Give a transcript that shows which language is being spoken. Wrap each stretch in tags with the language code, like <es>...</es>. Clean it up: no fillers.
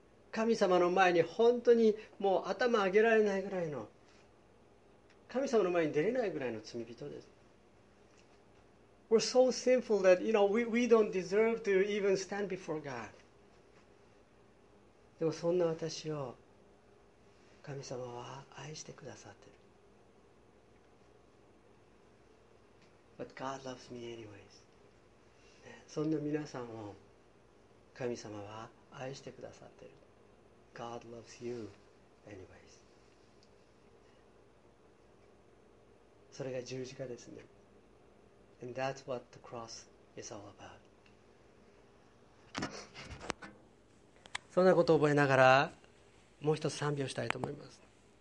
<ja>神様の前に本当にもう頭上げられないぐらいの、神様の前に出れないぐらいの罪人です。</ja> <en>We're so sinful that, you know, we don't deserve to even stand before God.</en> <ja>でもそんな私を神様は愛してくださってる。</ja> <en>But God loves me anyways.</en> <ja>そんな皆さんを神様は愛してくださってる。</ja> <en>God loves you anyways.</en> <ja>それが十字架ですね。</ja> <en>And that's what the cross is all about.</en> <ja>そんなことを覚えながらもう一つ賛美をしたいと思います。</ja>